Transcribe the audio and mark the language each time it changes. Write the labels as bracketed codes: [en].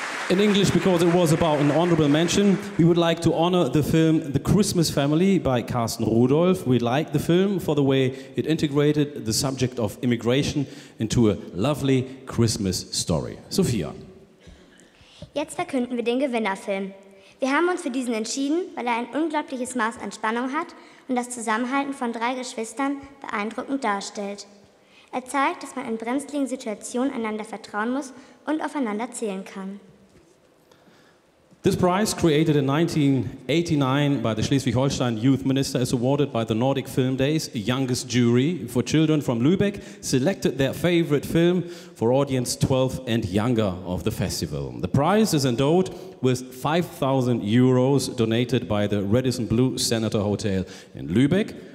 [en] In English, because it was about an honorable mention, we would like to honor the film The Christmas Family by Carsten Rudolph. We like the film for the way it integrated the subject of immigration into a lovely Christmas story. Sophia. [de] Jetzt verkünden wir den Gewinnerfilm. Wir haben uns für diesen entschieden, weil er ein unglaubliches Maß an Spannung hat und das Zusammenhalten von 3 Geschwistern beeindruckend darstellt. Er zeigt, dass man in brenzligen Situationen einander vertrauen muss und aufeinander zählen kann. [en] This prize, created in 1989 by the Schleswig-Holstein Youth Minister, is awarded by the Nordic Film Days Youngest Jury for children from Lübeck, selected their favorite film for audience 12 and younger of the festival. The prize is endowed with 5,000 euros donated by the Red is and Blue Senator Hotel in Lübeck.